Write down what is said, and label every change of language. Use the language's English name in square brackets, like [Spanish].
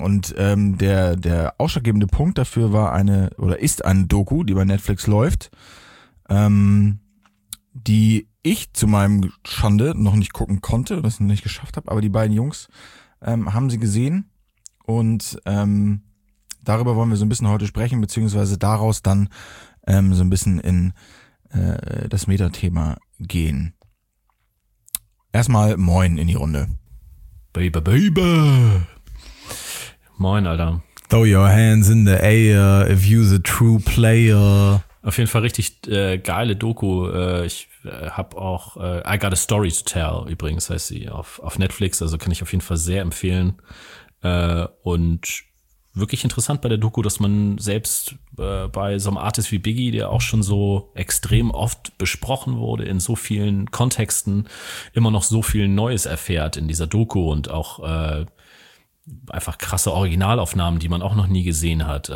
[German] Und der ausschlaggebende Punkt dafür war eine, oder ist eine Doku, die bei Netflix läuft, die ich zu meinem Schande noch nicht gucken konnte, das noch nicht geschafft habe, aber die beiden Jungs haben sie gesehen. Und darüber wollen wir so ein bisschen heute sprechen, beziehungsweise daraus dann so ein bisschen in das Metathema gehen. Erstmal Moin in die Runde. [English] Baby, baby. [German] Moin, Alter. [English] Throw your hands in the air if you're the true player. [German] Auf jeden Fall richtig geile Doku. Ich habe auch I Got a Story to Tell übrigens, heißt sie, auf Netflix. Also kann ich auf jeden Fall sehr empfehlen. Und wirklich interessant bei der Doku, dass man selbst bei so einem Artist wie Biggie, der auch schon so extrem oft besprochen wurde in so vielen Kontexten, immer noch so viel Neues erfährt in dieser Doku und auch einfach krasse Originalaufnahmen, die man auch noch nie gesehen hat.